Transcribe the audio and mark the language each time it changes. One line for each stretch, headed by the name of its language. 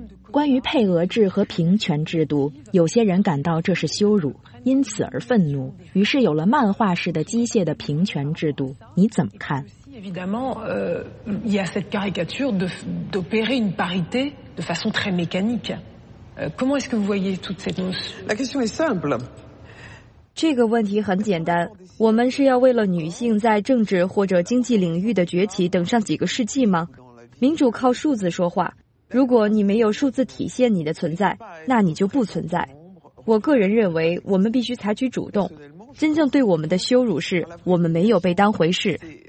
Chinese: 关于配额制和平权制度，有些人感到这是羞辱，因此而愤怒，于是有了漫画式的机械的平权制度。你怎么看？
French: il y a cette caricature d'opérer une parité de façon très mécanique. Comment est-ce que vous voyez toute cette notion? La question est simple.
Chinese: 这个问题很简单，我们是要为了女性在政治或者经济领域的崛起等上几个世纪吗？民主靠数字说话。如果你没有数字体现你的存在，那你就不存在。我个人认为，我们必须采取主动。真正对我们的羞辱是，我们没有被当回事。